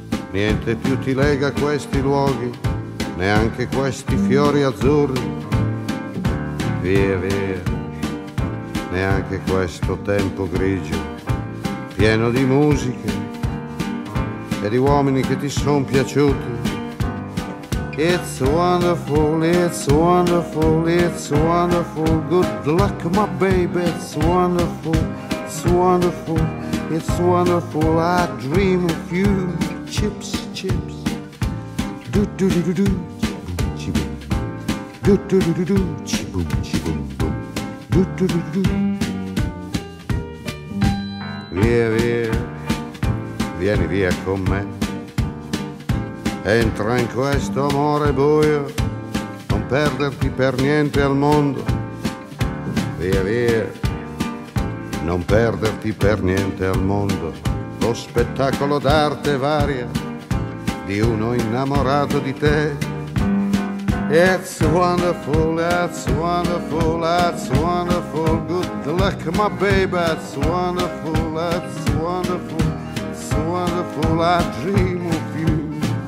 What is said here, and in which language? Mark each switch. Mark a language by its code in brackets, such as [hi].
[it] Niente più ti lega a questi luoghi, neanche questi fiori azzurri. Via, via, neanche questo tempo grigio, pieno di musiche e di uomini che ti son piaciuti. [en] It's wonderful, it's wonderful, it's wonderful. Good luck, my baby, it's wonderful, it's wonderful, it's wonderful. I dream of you, chips, chips. Do-do-do-do-do, chibum-chibum. Do-do-do-do-do, chibum-chibum-bum. [it] Do-do-do-do-do. Via, via, vieni via con me. Entra in questo amore buio, non perderti per niente al mondo. Via, via, non perderti per niente al mondo. Lo spettacolo d'arte varia di uno innamorato di te. [en] It's wonderful, that's wonderful, that's wonderful. Good luck, my baby, it's wonderful, that's wonderful, it's wonderful, I dream of you.